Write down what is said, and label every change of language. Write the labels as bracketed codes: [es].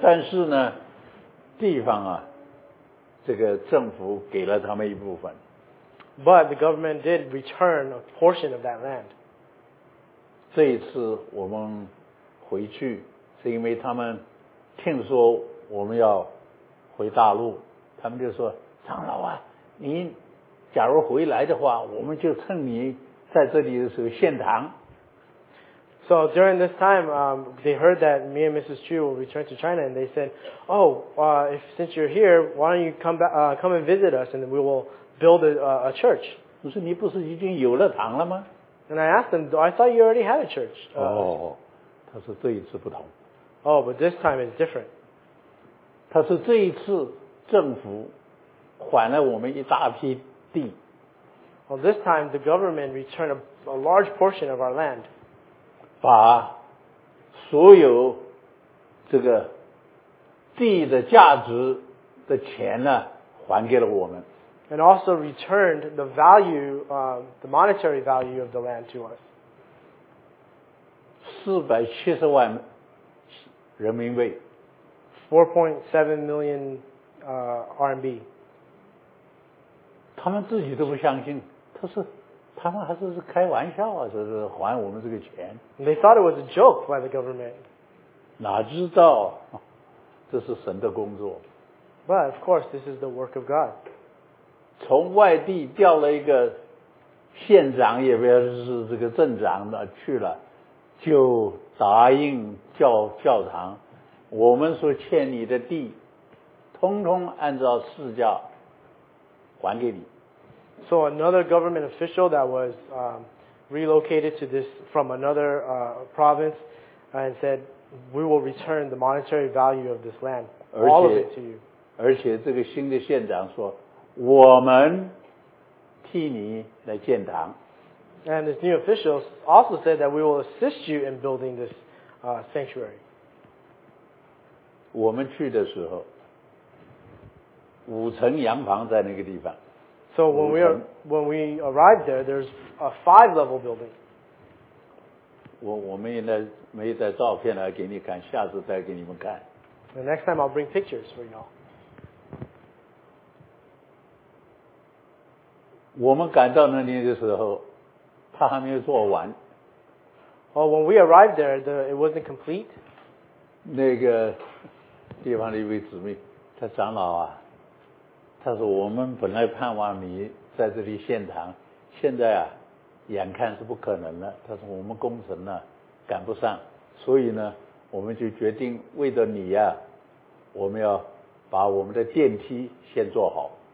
[zh] 但是呢，地方啊，这个政府给了他们一部分。 [en] But the government did return a portion of that land. [zh] 这一次我们回去，是因为他们听说我们要回大陆，他们就说，长老啊，你假如回来的话，我们就趁你在这里的时候献堂。 [en] So during this time, they heard that me and Mrs. Chu will return to China, and they said, oh, since you're here, why don't you come and visit us, and we will build a church. [zh] 我说你不是已经有了堂了吗？ [en] And I asked them, I thought you already had a church. [zh] 他说这一次不同。 [en] Oh, but this time is different. [zh] 他说这一次政府还了我们一大批地。 [en] Well, this time the government returned a large portion of our land. [zh] 把所有这个地的价值的钱呢还给了我们。 [en] And also returned the value, the monetary value of the land to us. [zh] 470万人民币。 [en] 4.7 million RMB. [zh] 他们自己都不相信，他说他们还是开玩笑啊，说是还我们这个钱。 [en] They thought it was a joke by the government. [zh] 哪知道这是神的工作。 [en] But of course, this is the work of God. [zh] 从外地调了一个县长，也不要是这个镇长的去了，就答应教堂，我们所欠你的地，通通按照市价还给你。 [en] So another government official that was relocated to this from another province and said, we will return the monetary value of this land, all of it to you. [zh] 而且这个新的县长说，我们替你来建堂。 [en] And this new official also said that we will assist you in building this sanctuary. [zh] 我们去的时候，五层洋房在那个地方。 [en] So when we arrived there, there's a five-level building. [zh] 我们也没带照片来给你看，下次再给你们看。 [en] The next time I'll bring pictures for y'all. [zh] 我们赶到那里的时候，他还没有做完。 [en] Well, when we arrived there, it wasn't complete. [zh] 那个地方的一位姊妹，他长老啊，他说我们本来盼望你在这里献堂，现在啊眼看是不可能了，但是我们工程呢赶不上，所以呢我们就决定为了你呀、啊、我们要把我们的电梯先做好。